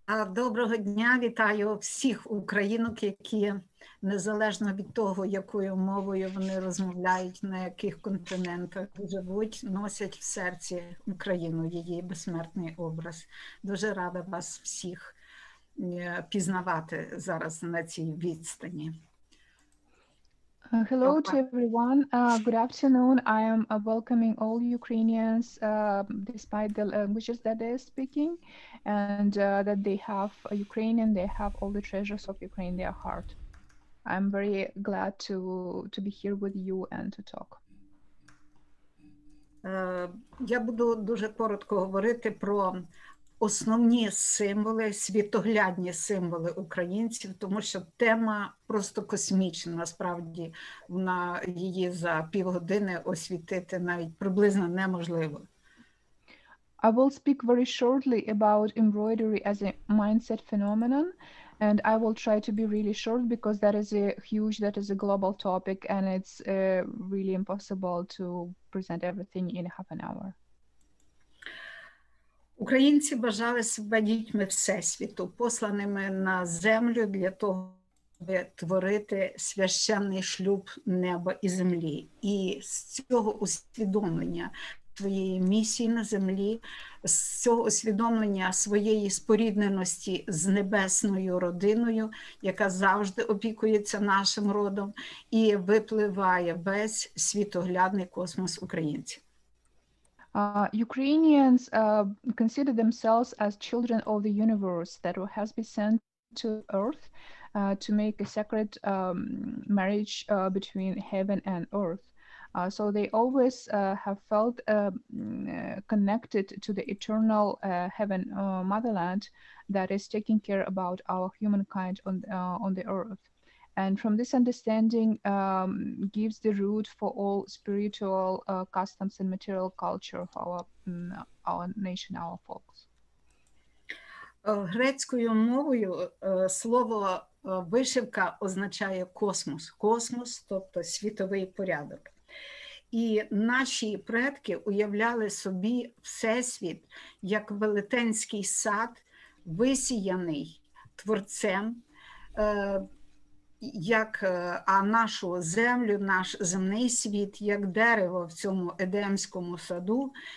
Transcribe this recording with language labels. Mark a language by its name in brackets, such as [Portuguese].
[Ukrainian] Доброго дня, вітаю всіх українок, які незалежно від того, якою мовою вони розмовляють, на яких континентах живуть, носять в серці Україну, її безсмертний образ. Дуже рада вас всіх пізнавати зараз на цій відстані. [English] Hello to everyone. Good afternoon. I am welcoming all Ukrainians, despite the languages that they are speaking, and that they have a Ukrainian, they have all the treasures of Ukraine in their heart. I'm very glad to be here with you and to talk. [Ukrainian] Я буду дуже коротко говорити про основні символи, світоглядні символи українців, тому що тема просто космічна. Насправді, вона її за півгодини освітити навіть приблизно неможливо. [English] I will speak very shortly about embroidery as a mindset phenomenon, and I will try to be really short because that is a huge, that is a global topic, and it's really impossible to present everything in half an hour. [Ukrainian] Українці бажали себе дітьми Всесвіту, посланими на землю для того, щоб творити священний шлюб неба і землі. І з цього усвідомлення своєї місії на землі, з цього усвідомлення своєї спорідненості з небесною родиною, яка завжди опікується нашим родом, і випливає весь світоглядний космос українців. [English] Ukrainians consider themselves as children of the universe that has been sent to Earth to make a sacred marriage between heaven and Earth. So they always have felt connected to the eternal heaven motherland that is taking care about our humankind on the Earth. And from this understanding gives the root for all spiritual customs and material culture of our nation, our folks. [Ukrainian] Грецькою мовою слово вишивка означає космос. Космос, тобто світовий порядок. І наші предки уявляли собі Всесвіт як велетенський сад, висіяний творцем, як а нашу землю, наш земний світ, як дерево в цьому Едемському саду.